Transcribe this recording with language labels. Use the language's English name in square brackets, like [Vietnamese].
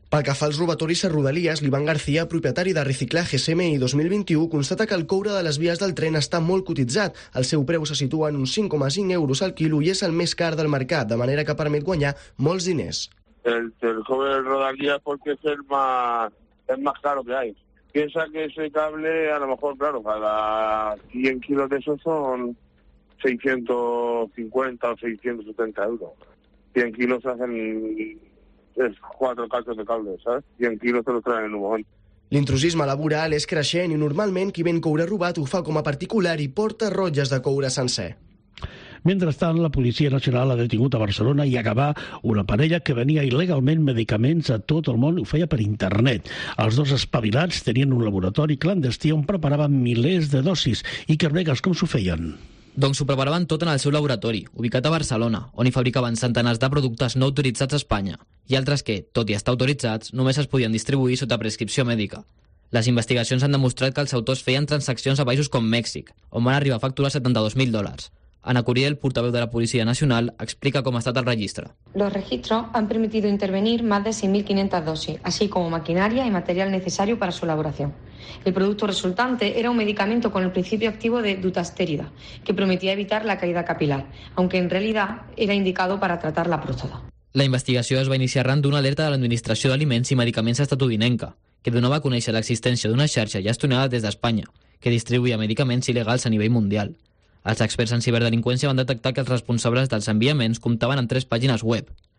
[Catalan] Pel que fa als robatoris a Rodalies, l'Ivan García, propietari de Reciclaje SMI 2021, constata que el coure de les vies del tren està molt cotitzat. El seu preu se situa en uns 5,5 euros al quilo i és el més car del mercat, de manera que permet guanyar molts diners. El coure de Rodalies pot ser el més caro que hi ha. [Spanish] Piensa que ese cable, a lo mejor, claro, cada 100 kilos de esos son 650 o 670 euros. 100 kilos hacen... Es cuatro cachos de cable, ¿sabes? Y en kilos se los traen en un mojón. [Catalan] L'intrusisme laboral és creixent i normalment qui ven coure robat ho fa com a particular i porta rotlles de coure sencer. Mentrestant, la Policia Nacional ha detingut a Barcelona i a Gavà una parella que venia il·legalment medicaments a tot el món i ho feia per internet. Els dos espavilats tenien un laboratori clandestí on preparaven milers de dosis. I Carregas, com s'ho feien? Doncs ho preparaven tot en el seu laboratori, ubicat a Barcelona, on hi fabricaven centenars de productes no autoritzats a Espanya, i altres que, tot i estar autoritzats, només es podien distribuir sota prescripció mèdica. Les investigacions han demostrat que els autors feien transaccions a països com Mèxic, on van arribar a facturar 72.000 dòlars. Ana Curiel, portaveu de la Policia Nacional, explica com ha estat el registre. [Spanish] Los registros han permitido intervenir más de 6.500 dosis, así como maquinaria y material necesario para su elaboración. El producto resultante era un medicamento con el principio activo de dutasterida, que prometía evitar la caída capilar, aunque en realidad era indicado para tratar la próstata. [Catalan] La investigació es va iniciar arran d'una alerta de l'Administració d'Aliments i Medicaments estatudinenca, que donava a conèixer l'existència d'una xarxa gestionada des d'Espanya, que distribuïa medicaments il·legals a nivell mundial. Els experts en ciberdelinqüència van detectar que els responsables dels enviaments comptaven amb tres pàgines web.